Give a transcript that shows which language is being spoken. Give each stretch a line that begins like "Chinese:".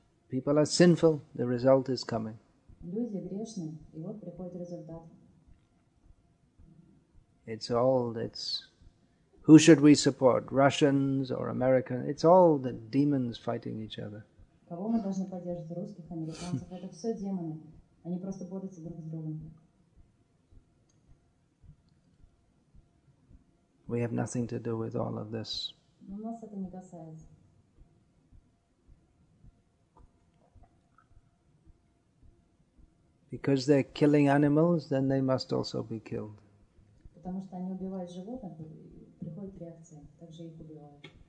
English: People are sinful, the result is coming.
Russian: Люди грешны, и вот приходит результат.
English: It's all that's... Who should we support? Russians or Americans? It's all the demons fighting each other.
Russian: Кого мы должны поддерживать? Русских, американцев? Это все демоны. Они просто борются друг с другом.
English: We have nothing to do with all of this.
Russian: Но нас это не касается.
English: Because they're killing animals, then they must also be killed.
Russian: Потому что они убивают животных, приходит реакция, также их убивают.